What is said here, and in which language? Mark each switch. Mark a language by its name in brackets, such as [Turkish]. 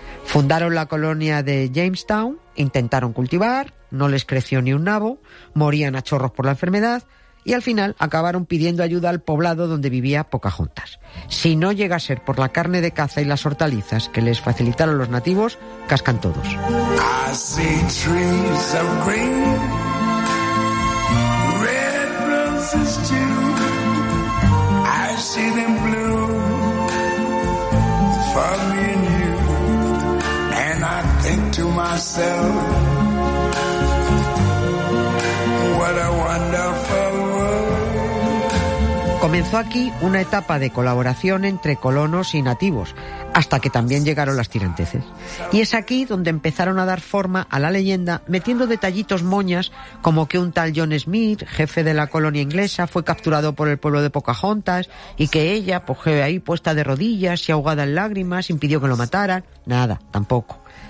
[Spanish] Fundaron la colonia de Jamestown, intentaron cultivar, no les creció ni un nabo, morían a chorros por la enfermedad y al final acabaron pidiendo ayuda al poblado donde vivía Pocahontas. Si no llega a ser por la carne de caza y las hortalizas que les facilitaron los nativos, cascan todos. [English] I see trees of green, red roses too. I see them blue for me and you. And I think to myself, what a wonderful. [Spanish] Comenzó aquí una etapa de colaboración entre colonos y nativos, hasta que también llegaron las tiranteses. Y es aquí donde empezaron a dar forma a la leyenda, metiendo detallitos moñas, como que un tal John Smith, jefe de la colonia inglesa, fue capturado por el pueblo de Pocahontas, y que ella, pues, ahí puesta de rodillas y ahogada en lágrimas, impidió que lo mataran. Nada, tampoco.